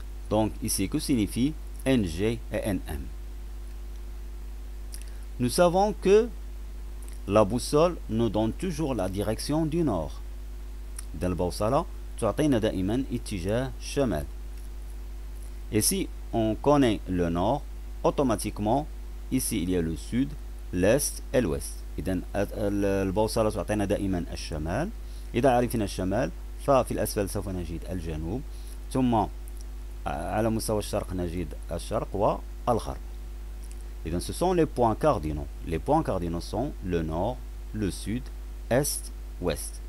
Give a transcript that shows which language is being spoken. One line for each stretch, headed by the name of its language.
French: Donc ici que signifie NG et NM? Nous savons que la boussole nous donne toujours la direction du nord.
Arabic: D'Al-Bawsala تعطينا دائما اتجاه الشمال.
French: Et si on connaît le nord, automatiquement, ici il y a le sud, l'est et l'ouest.
Arabic: إذن البوصلة تعطينا دائما الشمال. إذا عرفنا الشمال ففي الأسفل سوف نجد الجنوب، ثم على مستوى الشرق نجد الشرق والغرب.
French: إذن ce sont les points cardinaux. Les points cardinaux sont le nord, le sud, est, ouest.